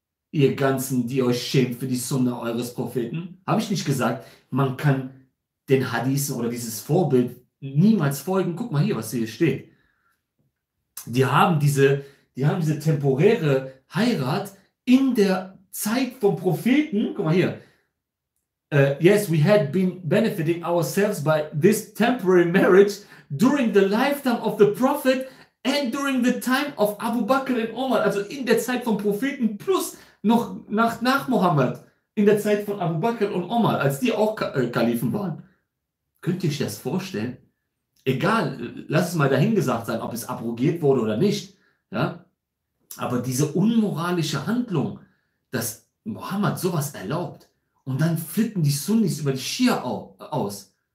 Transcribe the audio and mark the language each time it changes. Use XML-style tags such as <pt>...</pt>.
<de>Ihr Ganzen, die euch schämt für die Sunna eures Propheten. Habe ich nicht gesagt, man kann den Hadithen oder dieses Vorbild niemals folgen. Guck mal hier, was hier steht. Die haben diese temporäre Heirat in der Zeit vom Propheten. Guck mal hier.</de> <en>Yes, we had been benefiting ourselves by this temporary marriage during the lifetime of the Prophet and during the time of Abu Bakr and Omar.</en> <de>Also in der Zeit vom Propheten plus noch nach Mohammed. In der Zeit von Abu Bakr und Omar, als die auch Kalifen waren. Könnt ihr euch das vorstellen? Egal, lass es mal dahingesagt sein, ob es abrogiert wurde oder nicht. Ja? Aber diese unmoralische Handlung, dass Mohammed sowas erlaubt und dann flippen die Sunnis über die Schia aus.</de>